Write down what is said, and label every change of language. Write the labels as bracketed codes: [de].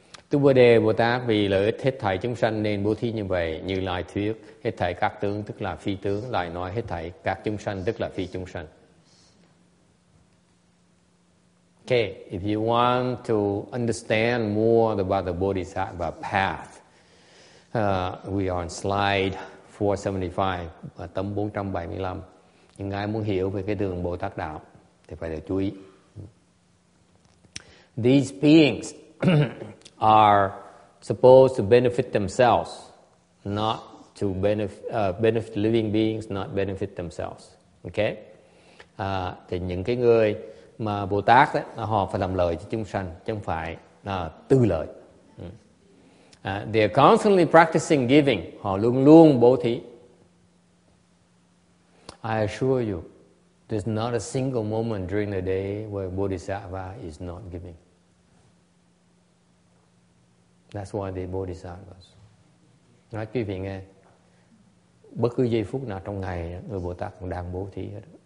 [vi] Tu Bồ Đề Bồ Tát vì lợi ích hết thảy chúng sanh nên bố thí như vậy, như lai thuyết hết thảy các tướng tức là phi tướng, lại nói hết thảy các chúng sanh tức là phi chúng sanh. [en] Okay, if you want to understand more about the Bodhisattva path, we are on slide [vi] 475 và tâm 475. Những ai muốn hiểu về cái đường Bồ Tát đạo thì phải được chú ý. [en] These beings are supposed to benefit themselves, not to benefit living beings, not benefit themselves. Okay? [vi] Thì những cái người mà Bồ Tát đấy, họ phải làm lợi cho chúng sanh, chứ không phải tư lợi. [en] They are constantly practicing giving. [vi] Họ luôn luôn bố thí. [en] I assure you, there's not a single moment during the day where Bodhisattva is not giving. That's why they're Bodhisattvas. [vi] Nói quý vị nghe, bất cứ giây phút nào trong ngày, người Bồ Tát cũng đang bố thí hết.